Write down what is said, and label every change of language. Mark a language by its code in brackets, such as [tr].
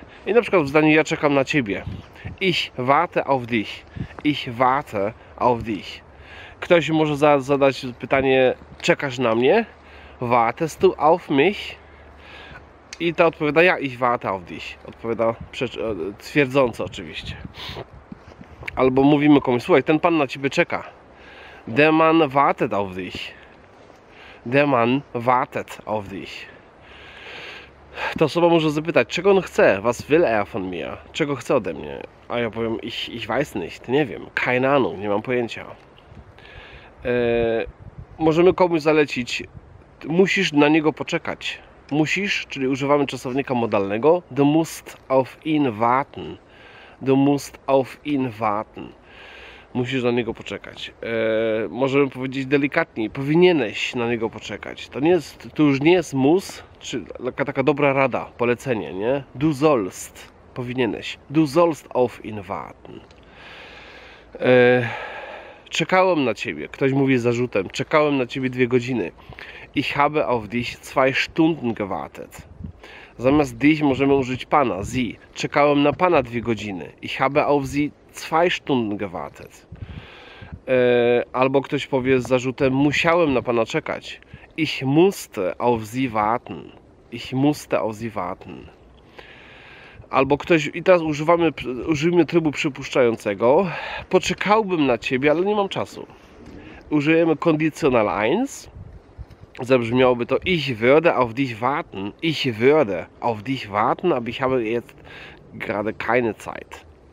[pl] I na przykład w zdaniu ja czekam na ciebie. [de] Ich warte auf dich. Ich warte auf dich. [pl] Ktoś może zadać pytanie, czekasz na mnie? [de] Wartest du auf mich? [pl] I ta odpowiada, ja [de] ich warte auf dich. [pl] Odpowiada twierdząco oczywiście. Albo mówimy komuś, słuchaj, ten pan na ciebie czeka. [de] Der Mann wartet auf dich. Der Mann wartet auf dich. [pl] Ta osoba może zapytać, czego on chce? [de] Was will er von mir? [pl] Czego chce ode mnie? A ja powiem, [de] ich weiß nicht. [pl] Nie wiem, [de] keine Ahnung, [pl] nie mam pojęcia. Możemy komuś zalecić, musisz na niego poczekać. Musisz, czyli używamy czasownika modalnego, [de] du musst auf ihn warten. Du musst auf ihn warten. [pl] Musisz na niego poczekać. Możemy powiedzieć delikatniej, powinieneś na niego poczekać. To już nie jest mus, czy taka dobra rada, polecenie, nie? [de] Du sollst, [pl] powinieneś. [de] Du sollst auf ihn warten. [pl] Czekałem na ciebie. Ktoś mówi z zarzutem. Czekałem na ciebie 2 godziny. [de] Ich habe auf dich 2 Stunden gewartet. [pl] Zamiast dich możemy użyć pana, sie. Czekałem na pana 2 godziny. [de] Ich habe auf sie 2 Stunden gewartet. [pl] Albo ktoś powie z zarzutem, musiałem na pana czekać. [de] Ich musste auf sie warten. Ich musste auf sie warten. [pl] Albo ktoś, i teraz użyjmy trybu przypuszczającego. Poczekałbym na ciebie, ale nie mam czasu. Użyjemy kondicjonal 1. Zabrzmiałoby to, [de] ich würde auf dich warten. Ich würde auf dich warten, aber ich habe jetzt gerade keine Zeit.